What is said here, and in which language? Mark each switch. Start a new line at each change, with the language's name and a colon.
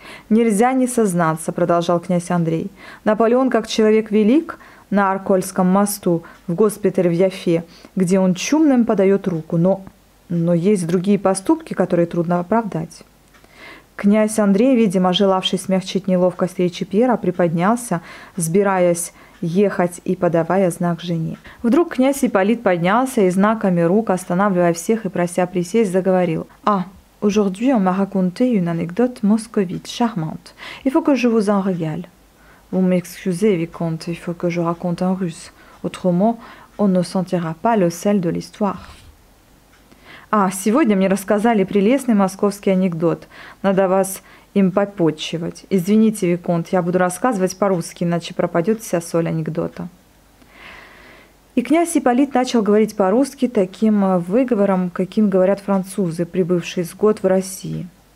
Russian: «Нельзя не сознаться», – продолжал князь Андрей. «Наполеон, как человек велик, на Аркольском мосту, в госпитале в Яфе, где он чумным подает руку, но есть другие поступки, которые трудно оправдать». Князь Андрей, видимо, желавший смягчить неловкость речи Пьера, приподнялся, сбираясь ехать и подавая знак жене. Вдруг князь Ипполит поднялся и знаками рук, останавливая всех и прося присесть, заговорил. «А!
French: Aujourd'hui, on m'a raconté une anecdote moscovite, charmante. Il faut que je vous en régale. Vous m'excusez, vicomte, il faut que je raconte en russe. Autrement, on ne sentira pas le sel de l'histoire.
Russian: Ah, сегодня мне рассказали прелестный московский анекдот. Надо вас им попотчевать. Извините, виконт, я буду рассказывать по-русски, иначе пропадет вся соль анекдота». И князь Ипполит начал говорить по-русски таким выговором, каким говорят французы, прибывшие с год в России.